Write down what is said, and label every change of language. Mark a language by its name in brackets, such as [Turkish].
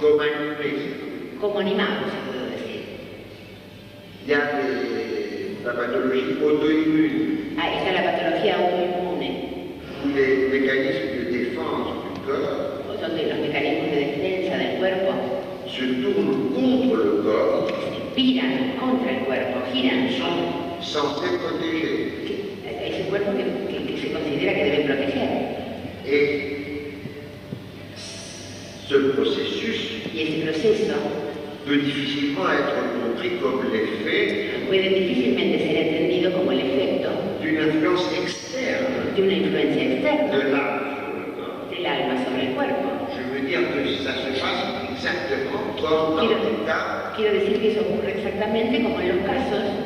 [Spanish] Como animado. Como animado, se puede decir. Ya de la patología autoinmune. Ah, está la patología autoinmune. Donde los mecanismos de defensa del cuerpo. Donde los mecanismos de defensa del cuerpo. [French] Se tourne contre le corps. [Spanish] Viran contra el cuerpo, giran. [French] Son censé protéger. [Spanish] Es un cuerpo que se considera que debe proteger. [French] Et ce processus. [Spanish] Y ese proceso. [French] Peut difficilement être compris comme l'effet. [Spanish] Puede difícilmente ser entendido como el efecto. [French] D'une influence externe. [Spanish] De una influencia externa. [French] De l'âme sur le corps. [Spanish] Del alma sobre el cuerpo. [French] Je veux dire que si ça se passe. [Spanish] Quiero decir que eso ocurre exactamente como en los casos